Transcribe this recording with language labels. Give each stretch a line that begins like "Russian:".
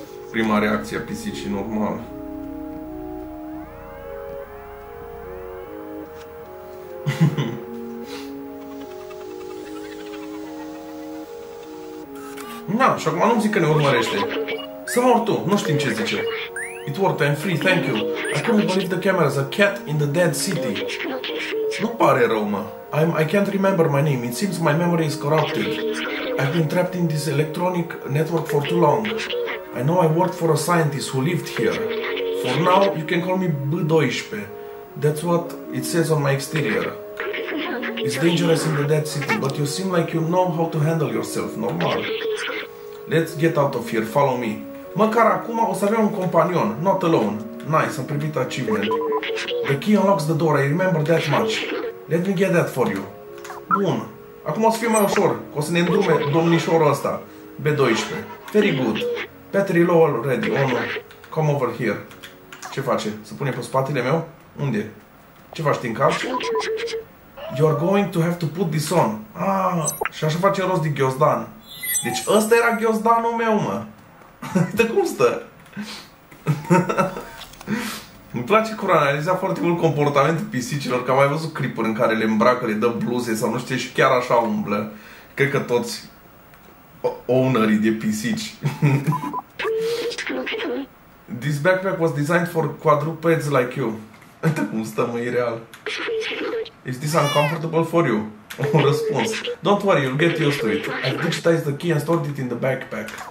Romanian: Prima reacție a pisicii, normal. Na, și acum nu-mi zic că ne urmărește. Să mor tu, nu știm ce zice.
English: It worked, I'm free, thank you. I couldn't believe the cameras, a cat in the dead city.
Romanian: Nu pare rău, mă.
English: I can't remember my name, it seems my memory is corrupted. I've been trapped in this electronic network for too long. I know I worked for a scientist who lived here. For now, you can call me B-12. That's what it says on my exterior. It's dangerous in the dead city, but you seem like you know how to handle yourself, normal. Let's get out of here, follow me.
Romanian: Măcar acum o să avem un companion,
English: not alone.
Romanian: Nice, am privit achievement.
English: The key unlocks the door, I remember that much. Let me get that for you.
Romanian: Bun. Acum o să fie mai ușor, că o să ne îndrume domnișorul ăsta, B-12.
English: Very good. Battery low already, oh no. Come over here.
Romanian: Ce face? Se pune pe spatele meu? Unde? Ce faci, din cap?
English: You're going to have to put this on.
Romanian: Ah, și așa face rost de ghiozdan. Deci ăsta era ghiozdanul meu, mă. De cum stă? Îmi place cum analizează foarte mult comportamentul pisicilor, că am mai văzut clipuri în care le îmbracă, le dă bluze sau nu știu, și chiar așa umblă. Cred că toți ownerii de pisici.
English: This backpack was designed for quadrupeds like you.
Romanian: De cum stă, mă, e real.
English: Is this uncomfortable for you?
Romanian: Un răspuns.
English: Don't worry, you'll get used to it. I've digitized the key and stored it in the backpack.